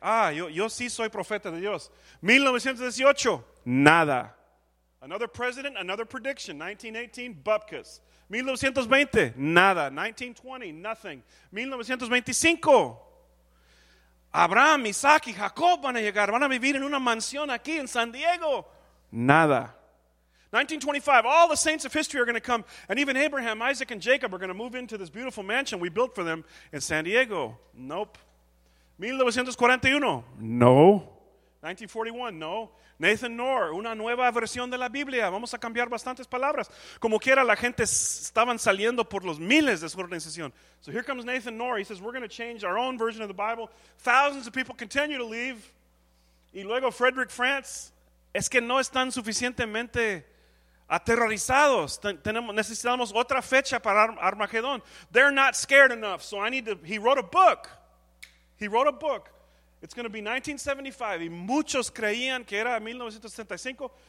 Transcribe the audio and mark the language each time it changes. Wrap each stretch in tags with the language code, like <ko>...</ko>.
<es>Ah, yo sí soy profeta de Dios. 1918. Nada.</es> <en>Another president, another prediction. 1918, Bupkis. 1920.</en> <es>Nada.</es> <en>1920. Nothing.</en> <es>1925. Abraham, Isaac y Jacob van a llegar. Van a vivir en una mansión aquí en San Diego. Nada.</es> <en>1925, all the saints of history are going to come. And even Abraham, Isaac, and Jacob are going to move into this beautiful mansion we built for them in San Diego. Nope. 1941, no. 1941, no.</en> <es>Nathan Knorr, una nueva versión de la Biblia. Vamos a cambiar bastantes palabras. Como quiera, la gente estaban saliendo por los miles de su organización.</es> <en>So here comes Nathan Knorr. He says, we're going to change our own version of the Bible. Thousands of people continue to leave.</en> <es>Y luego Frederick France, es que no están suficientemente aterrorizados. Necesitamos otra fecha para Armagedón.</es> <en>They're not scared enough. So I need to, he wrote a book. He wrote a book. It's going to be 1975.</en> <es>Y muchos creían que era 1975.</es>